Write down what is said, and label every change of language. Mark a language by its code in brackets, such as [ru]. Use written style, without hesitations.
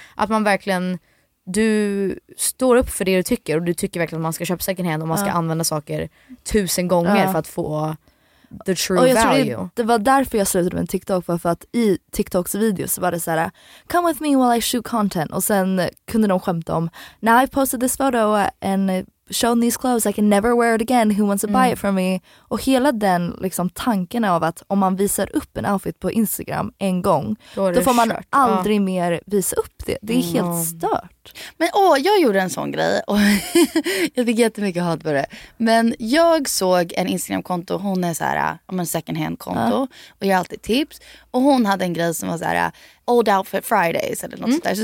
[sv] Att man verkligen, du står upp för det du tycker. Och du tycker verkligen att man ska köpa second hand och man ska använda saker 1000 gånger för att få... [en] the true [sv] och jag [en] value. [sv] Tror det var därför jag slutade med TikTok, för att i TikToks videos så var det så här: [en] come with me while I shoot content. [sv] Och sen kunde de skämta om, [en] now I've posted this photo and shown these clothes, I can never wear it again, who wants to buy it from me. [sv] Och hela den liksom tanken av att om man visar upp en outfit på Instagram en gång, då får man kört. Aldrig mer visa upp det. Det är helt stört. Men jag gjorde en sån grej och jag fick jättemycket hat på det. Men jag såg en Instagramkonto, hon är så här, om en second hand konto och ger alltid tips, och hon hade en grej som var så här [en] old outfit Fridays [sv] eller något sånt där.